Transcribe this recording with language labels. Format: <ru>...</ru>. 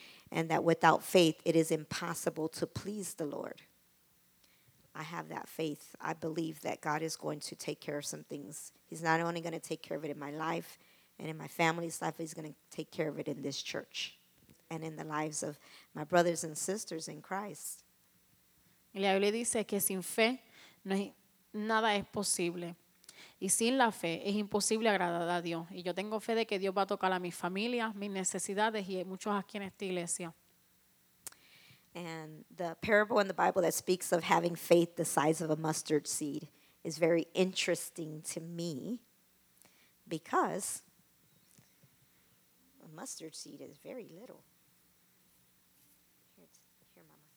<en>And that without faith, it is impossible to please the Lord. I have that faith. I believe that God is going to take care of some things. He's not only going to take care of it in my life, and in my family's life, he's going to take care of it in this church and in the lives of my brothers and sisters in Christ.</en> <es>Y la Biblia dice que sin fe no es, nada es posible. Y sin la fe es imposible agradar a Dios. Y yo tengo fe de que Dios va a tocar a mi familia, mis necesidades y muchos aquí en esta iglesia.</es> <en>And the parable in the Bible that speaks of having faith the size of a mustard seed is very interesting to me because a mustard seed is very little. Here, Mama.</en>